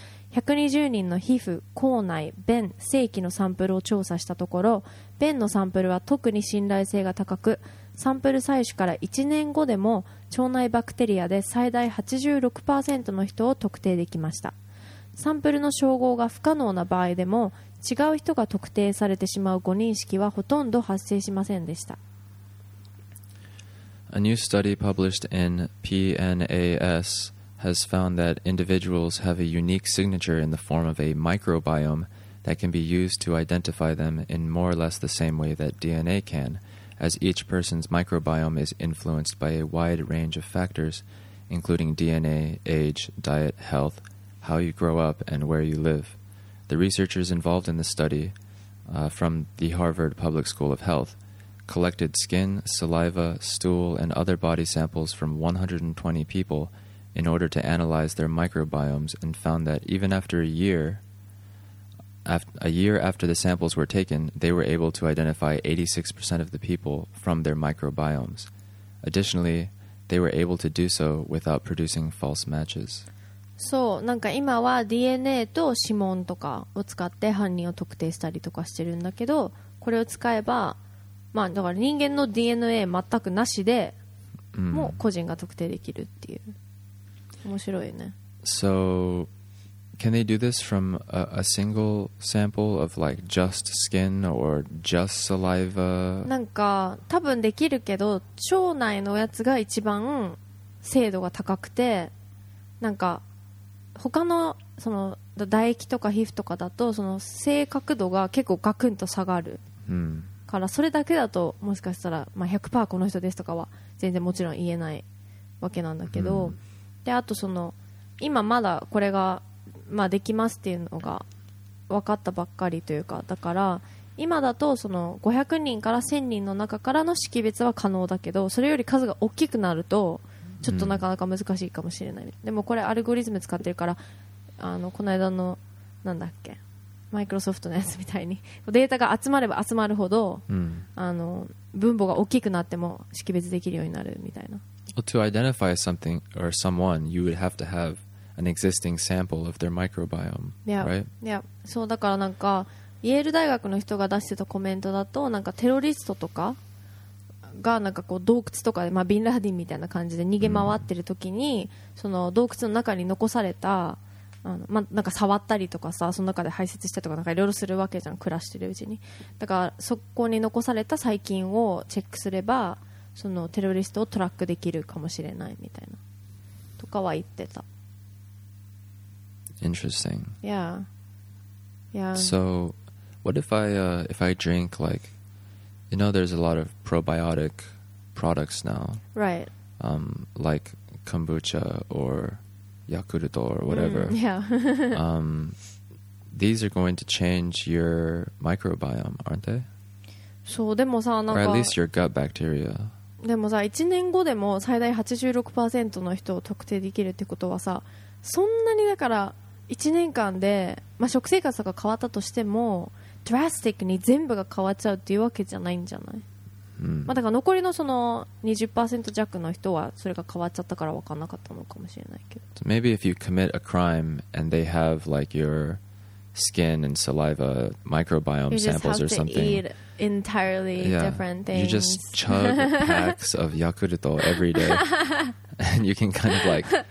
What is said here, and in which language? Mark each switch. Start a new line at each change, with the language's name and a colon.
Japanese: 120人の皮膚、口内、便、性器のサンプルを調査したところ、便のサンプルは特に信頼性が高く、サンプル採取から1年後でも腸内バクテリアで最大 86% の人を特定できました。サンプルの照合が不可能な場合でも違う人が特定されてしまう誤認識はほとんど発生しませんでした。
English: A new study published in PNAS has found that individuals have a unique signature in the form of a microbiome that can be used to identify them in more or less the same way that DNA can, as each person's microbiome is influenced by a wide range of factors, including DNA, age, diet, health, how you grow up, and where you live. The researchers involved in the study, from the Harvard Public School of Health, collected skin, saliva, stool, and other body samples from 120 people,in order to analyze their microbiomes and found that even after a year after the samples were taken, they were able to identify 86% of the people from their microbiomes. Additionally, they were able to do so without producing false matches.
Japanese: そう、なんか今は DNA と指紋とかを使って犯人を特定したりとかしてるんだけど、これを使えば、まあだから人間の DNA 全くなしでもう個人が特定できるっていう。
English: So, can they do this from a single sample of like just skin or just saliva?
Japanese: なんか多分できるけど、腸内のやつが一番精度が高くて、なんか他のその唾液とか皮膚とかだとその正確度が結構ガクンと下がる、 hmm. からそれだけだともしかしたら、まあ、100% この人ですとかは全然もちろん言えないわけなんだけど。 Hmm. で、あとその今まだこれが、まあ、できますっていうのが分かったばっかりというか、だから今だとその500人から1000人の中からの識別は可能だけど、それより数が大きくなるとちょっとなかなか難しいかもしれない、うん、でもこれアルゴリズム使ってるから、あのこの間のなんだっけマイクロソフトのやつみたいにデータが集まれば集まるほど、うん、あの分母が大きくなっても識別できるようになるみたいな。
English: Well, to identify something or someone, you would have to have an existing sample of their microbiome, yeah, right? Yeah.
Japanese: So, だからなんかイェール大学の人が出してたコメントだと、なんかテロリストとかがなんかこう洞窟とかで、まあビンラディンみたいな感じで逃げ回ってる時に、mm. その洞窟の中に残されたあの、まあ、なんか触ったりとかさ、その中で排泄したとかなんかいろいろするわけじゃん、暮らしてるうちに。だからそこに残された細菌をチェックすればそのテロリストをトラックできるかもしれないみたいなとかは言ってた。
English: Interesting. Yeah. Yeah. So what if I drink, like, you know, there's a lot of probiotic products now. Right. Like kombucha or Yakult or whatever. Mm, yeah. these are going to change your microbiome, aren't they?
Japanese: そう、でもさ、なんか、
English: or at least your gut bacteria.
Japanese: でもさ、1年後でも最大 86% の人を特定できるってことはさ、そんなにだから1年間で、まあ、食生活とか変わったとしてもドラスティックに全部が変わっちゃうっていうわけじゃないんじゃない、うん、まあ、だから残りのその 20% 弱の人はそれが変わっちゃったから分からなかったのかもしれないけど、
English: so、maybe if you commit a crime and they have like your skin and saliva microbiome samples or something, you just have to eat entirely yeah, different things. You just chug packs of Yakult every day and you can kind of like